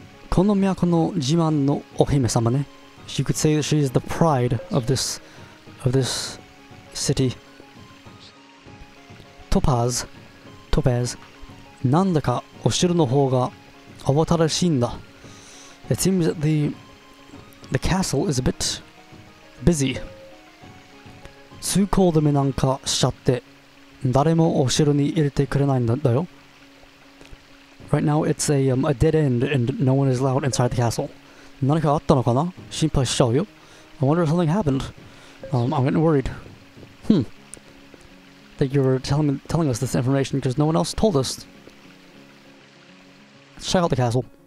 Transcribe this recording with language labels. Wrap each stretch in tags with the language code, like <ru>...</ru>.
<ja>この都の自慢のお姫様ね。</ja> <en>You could say that she is the pride of this city.</en> <ja>トパーズ、なんだかお城の方が慌ただしいんだ。</ja> <en>It seems that the castle is a bit busy.</en> <ja>通行止めなんかしちゃって、誰もお城に入れてくれないんだよ。</ja> <en>Right now, it's a dead end, and no one is allowed inside the castle.</en> <ja>何かあったのかな?心配しちゃうよ。</ja> <en>I wonder if something happened. I'm getting worried. That you were telling us this information, because no one else told us. Let's check out the castle.</en>